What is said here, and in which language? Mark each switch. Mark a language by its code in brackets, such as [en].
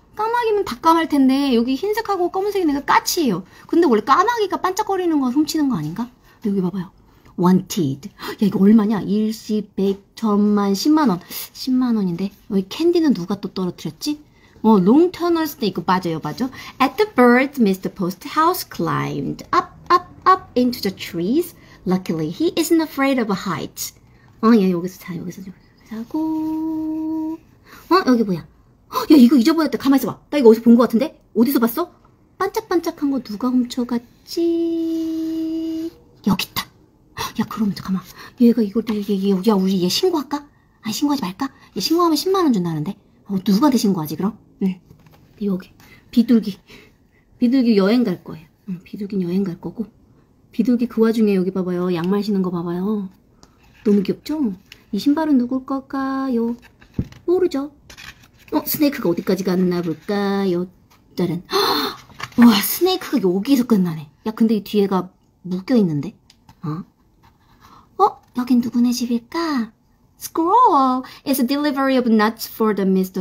[ko] 까마귀면 다 까맣을 텐데 여기 흰색하고 검은색이 내가 까치예요. 근데 원래 까마귀가 반짝거리는 거 훔치는 거 아닌가? 여기 봐봐요. Wanted. 야, 이거 얼마냐? 일십, 백, 천만, 10만 원. 10만 원인데 여기 캔디는 누가 또 떨어뜨렸지? [en] 어, long tunnel snake. [ko] 맞아요, 맞아. [en] At the birds, Mr. Post House climbed up, up, up into the trees. Luckily, he isn't afraid of heights. [ko] 어, 야, 여기서 자, 여기서 자고. 어, 여기 뭐야? 야, 이거 잊어버렸다. 가만있어 봐. 나 이거 어디서 본 것 같은데? 어디서 봤어? 반짝반짝한 거 누가 훔쳐갔지? 여기 있다. 야, 그럼 잠깐만. 얘가 이걸 여기 야, 우리 얘 신고할까? 아, 신고하지 말까? 얘 신고하면 10만 원 준다는데. 어, 누가 대 신고하지 그럼? 응. 여기 비둘기. 비둘기 여행 갈 거예요. 응, 비둘기는 여행 갈 거고. 비둘기 그 와중에 여기 봐봐요. 양말 신은 거 봐봐요. 너무 귀엽죠? 이 신발은 누굴 걸까요? 모르죠. 어, 스네이크가 어디까지 갔나 볼까요? 짜란. 와, 스네이크가 여기서 끝나네. 야, 근데 이 뒤에가 묶여있는데? 어? 어? 여긴 누구네 집일까? [en] Squirrel is a delivery of nuts for the Mr.